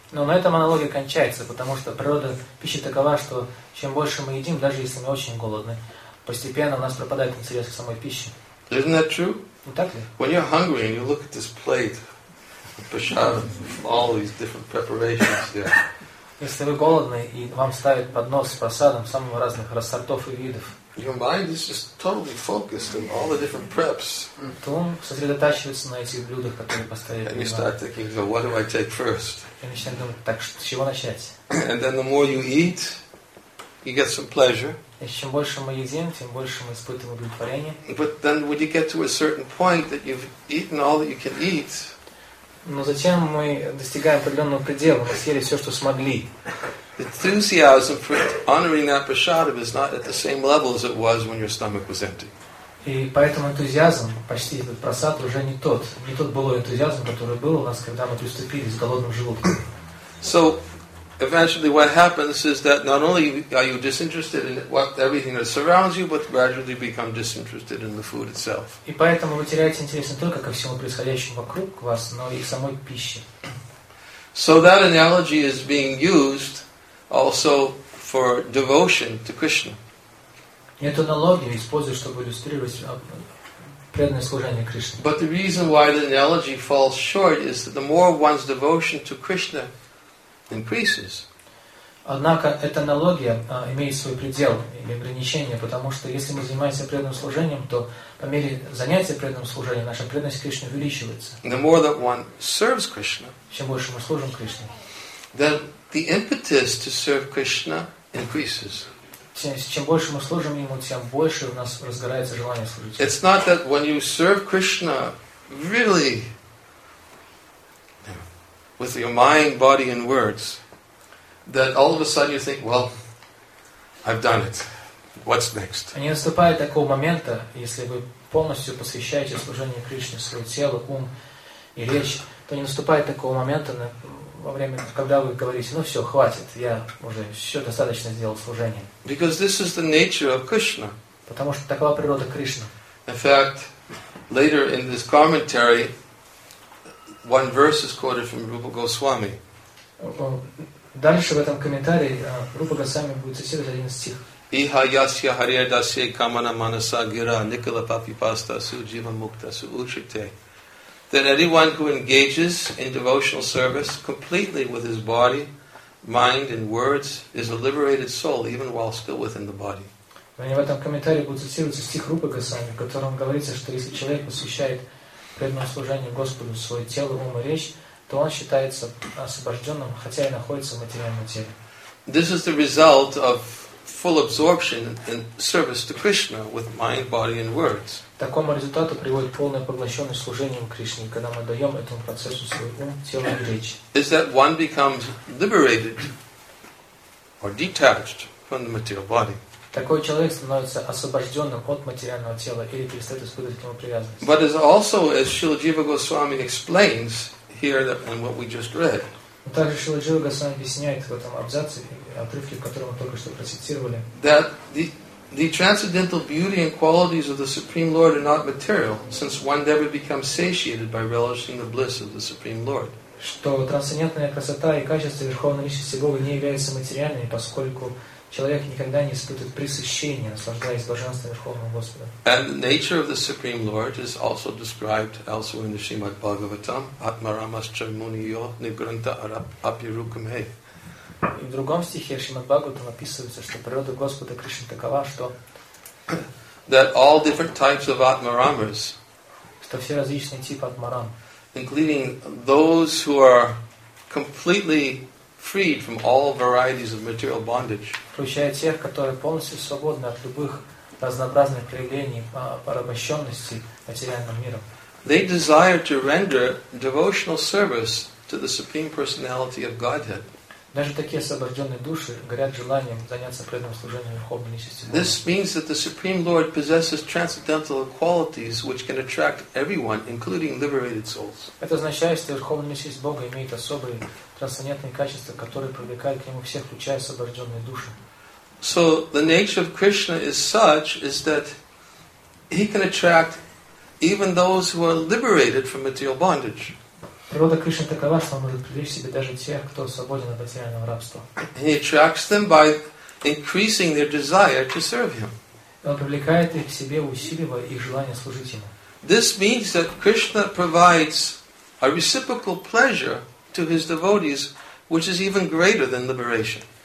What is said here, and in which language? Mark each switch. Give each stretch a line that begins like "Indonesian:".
Russian: Но на этом аналогия кончается, потому что природа пищи такова, что чем больше мы едим, даже если мы очень голодны, постепенно у нас пропадает интерес к самой пище.
English: Isn't that true?
Russian: Не так ли?
English: When you're hungry and you look at this plate of prasadam, all these different preparations, yeah.
Russian: Если вы голодны и вам ставят поднос с просадом самых разных сортов и видов.
English: Your mind is just totally focused on all the different preps.
Russian: Тум сосредотачивается на этих блюдах, которые поставили.
English: And you start thinking, so what do I take first?
Russian: И начинаешь думать, так с чего начать?
English: And then the more you eat, you get some pleasure.
Russian: И чем больше мы едим, тем больше мы испытываем удовлетворение.
English: But then, when you get to a certain point that you've eaten all that you can eat.
Russian: Но затем мы достигаем определенного предела, мы съели все, что смогли.
English: The enthusiasm for honoring that prasadam is not at the same level as it was when your stomach was empty.
Russian: И поэтому энтузиазм, почти этот просад, уже не тот. Не тот былой энтузиазм, который был у нас, когда мы приступили с голодным желудком.
English: So, eventually what happens is that not only are you disinterested in everything that surrounds you, but gradually become disinterested in the food itself.
Russian: И поэтому вы теряете интерес не только ко всему происходящему вокруг вас, но и к самой пище.
English: So that analogy is being used also for devotion to Krishna.
Russian: Эту аналогию используют, чтобы иллюстрировать преданное служение Кришне.
English: But the reason why the analogy falls short is that the more one's devotion to Krishna increases.
Russian: Однако эта аналогия имеет свой предел или ограничение, потому что если мы занимаемся преданным служением, то по мере занятия преданным служением наша преданность к Кришне увеличивается.
English: The more that one serves Krishna,
Russian: чем больше мы служим Кришне,
English: then the impetus to serve Krishna increases.
Russian: Чем больше мы служим Ему, тем больше у нас разгорается желание служить.
English: It's not that when you serve Krishna really with your mind, body and words, that all of a sudden you think, well, I've done it. What's next?
Russian: Не наступает такого момента, если вы полностью посвящаете служение Кришне свое тело, ум и речь, то не наступает такого момента во время, когда вы говорите, ну все, хватит, я уже все достаточно сделал служение.
English: Because this is the nature of Krishna.
Russian: Потому что такова природа Кришны.
English: In fact, later in this commentary, one verse is quoted from Rupa Goswami.
Russian: Дальше в этом комментарии Рупа Госвами будет цитировать один стих.
Sanskrit: Иха ясья харья дасья камана манаса гира никала папи паста су джива мукта су учрите.
English: Then anyone who engages in devotional service completely with his body, mind and words is a liberated soul even while still within the body.
Russian: В этом комментарии будет цитироваться стих Рупа Госвами, в котором говорится, что если человек посвящает преданное служение Господу свое тело, ум и речь, то он считается освобожденным, хотя и находится в материальном теле.
English: This is the result of full absorption in service to Krishna with mind, body and words.
Russian: Такому результату приводит полное поглощенное служением Кришне, когда мы даем этому процессу свой ум, тело и речь.
English: Is that one becomes liberated or detached from the material body.
Russian: Такой человек становится освобожденным от материального тела или перестает испытывать к нему привязанность.
English: But is also, as Śrīla Jīva Gosvāmī explains, here and what we just read.
Russian: Также Шрила Джива Госвами объясняет в этом абзаце, отрывке, который мы только что процитировали.
English: That the transcendental beauty and qualities of the Supreme Lord are not material, since one never becomes satiated by relishing the bliss of the Supreme Lord.
Russian: Что трансцендентная красота и качество Верховной Личности Бога не являются материальными, поскольку человек никогда не испытывает пресыщения, наслаждаясь Божественным Верховного Господа.
English: And the nature of the Supreme Lord is also described elsewhere in the Srimad Bhagavatam,
Sanskrit: Atmaramascha Muniyo Nigranta Apirukamhe.
Russian: И в другом стихе Шримад Бхагаватам описывается, что природа Господа Кришны такова, что
English: that all different types of Atmaramas,
Russian: что все различные типы Атмарам,
English: including those who are completely freed from all varieties of material bondage.
Russian: Включая тех, которые полностью свободны от любых разнообразных проявлений порабощенности материальным миром.
English: They desire to render devotional service to the Supreme Personality of Godhead.
Russian: Даже такие освобожденные души горят желанием заняться преданным служением Верховной Личности Бога.
English: This means that the Supreme Lord possesses transcendental qualities which can attract everyone, including liberated souls.
Russian: Это означает, что Верховная Личность Бога имеет особые трансцендентные качества, которые привлекают к Нему всех, включая освобожденные души.
English: So the nature of Krishna is such is that He can attract even those who are liberated from material bondage.
Russian: Природа Кришны такова, что Он может привлечь к себе даже тех, кто свободен от материального рабства.
English: He attracts them by increasing their desire to serve Him.
Russian: Он привлекает их к себе, усиливая их желание служить Ему.
English: This means that Krishna provides a reciprocal pleasure to His devotees, which is even greater than liberation.